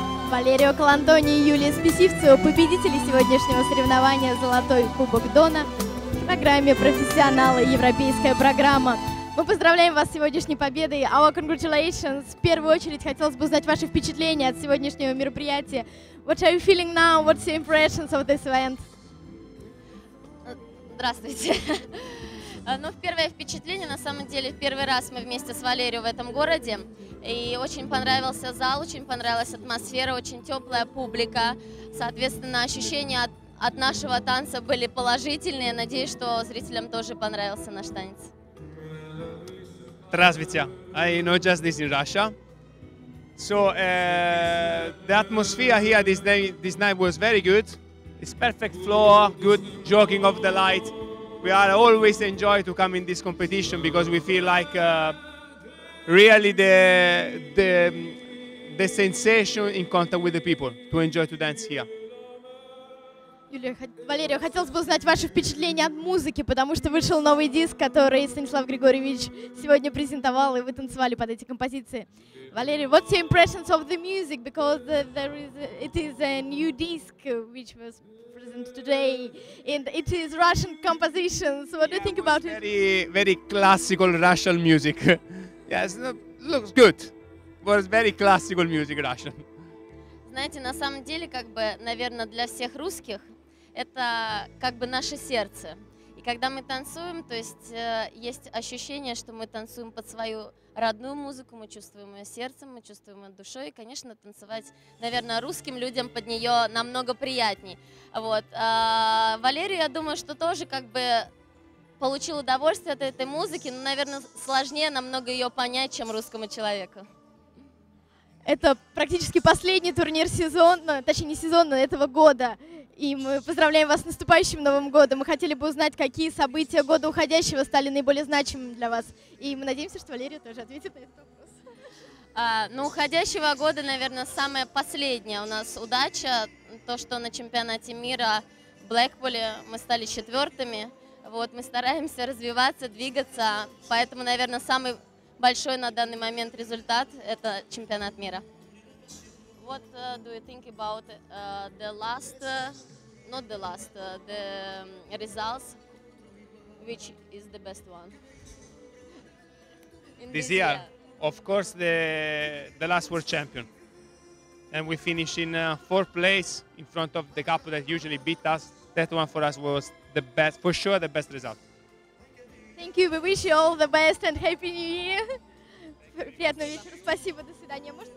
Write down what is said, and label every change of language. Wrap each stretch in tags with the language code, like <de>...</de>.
<ru>Валерио Колантони и Юлия Списивцева, победители сегодняшнего соревнования «Золотой кубок Дона» в программе «Профессионалы. Европейская программа». Мы поздравляем вас с сегодняшней победой.</ru> <en>Our congratulations.</en> <ru>В первую очередь хотелось бы узнать ваши впечатления от сегодняшнего мероприятия.</ru> <en>What are you feeling now? What's your impressions of this event?</en> <ru>Здравствуйте. Ну, первое впечатление, на самом деле, первый раз мы вместе с Валерием в этом городе. И очень понравился зал, очень понравилась атмосфера, очень теплая публика. Соответственно, ощущения от нашего танца были положительные. Надеюсь, что зрителям тоже понравился наш танец. Здравствуйте.</ru> <en>I know just this in Russia. So the atmosphere here this night was very good. It's perfect floor, good joking of the light. We are always enjoy to come in this competition because we feel like really the sensation in contact with the people to enjoy to dance here.</en> <ru>Валерия, хотелось бы узнать ваши впечатления от музыки, потому что вышел новый диск, который Станислав Григорьевич сегодня презентовал, и вы танцевали под эти композиции.</ru> <en>Валерия, what's your impressions of the music? Because it is a new disc which was presented today, and it is Russian compositions. What do you think about it? Very, very classical Russian music. Yes, looks good. But it's very classical music Russian.</en> <ru>Знаете, на самом деле, как бы, наверное, для всех русских это как бы наше сердце. И когда мы танцуем, то есть есть ощущение, что мы танцуем под свою родную музыку, мы чувствуем ее сердцем, мы чувствуем ее душой. И, конечно, танцевать, наверное, русским людям под нее намного приятней. Вот. Валерий, я думаю, что тоже как бы получил удовольствие от этой музыки, но, наверное, сложнее намного ее понять, чем русскому человеку. Это практически последний турнир сезона, точнее не сезона, этого года. И мы поздравляем вас с наступающим Новым годом. Мы хотели бы узнать, какие события года уходящего стали наиболее значимыми для вас. И мы надеемся, что Валерия тоже ответит на этот вопрос. Ну, уходящего года, наверное, самая последняя у нас удача. То, что на чемпионате мира в Блэкпуле мы стали четвертыми. Вот, мы стараемся развиваться, двигаться. Поэтому, наверное, самый большой на данный момент результат – это чемпионат мира.</ru> <en>What do you think about the last, not the last, the results, which is the best one? This year, of course, the last world champion. And we finished in fourth place in front of the couple that usually beat us. That one for us was the best, for sure the best result. Thank you, we wish you all the best and happy new year.</en> <ru>Приятного вечера, спасибо, до свидания.</ru>